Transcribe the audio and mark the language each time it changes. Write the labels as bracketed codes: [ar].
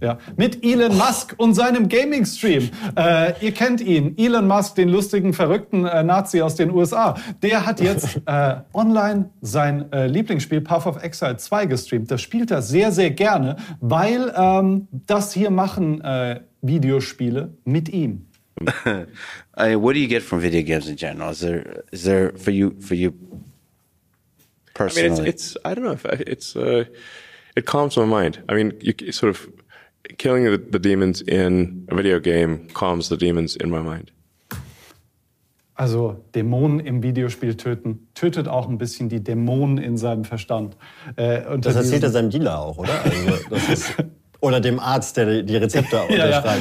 [de] Ja, mit Elon Musk und seinem Gaming-Stream. Ihr kennt ihn, Elon Musk, den lustigen, verrückten Nazi aus den USA. Der hat jetzt online sein Lieblingsspiel Path of Exile 2 gestreamt. Das spielt er sehr, sehr gerne, weil das hier machen Videospiele mit ihm. [en] What do you get from video games in general? Is there for you... Personally. I mean, I don't know if it calms my mind. I mean, you sort of killing the demons in a video game calms the demons in my mind. [de] Also, Dämonen im Videospiel töten, tötet auch ein bisschen die Dämonen in seinem Verstand. Das erzählt er seinem Dealer auch, oder? Also, oder dem Arzt, der die Rezepte unterschreibt.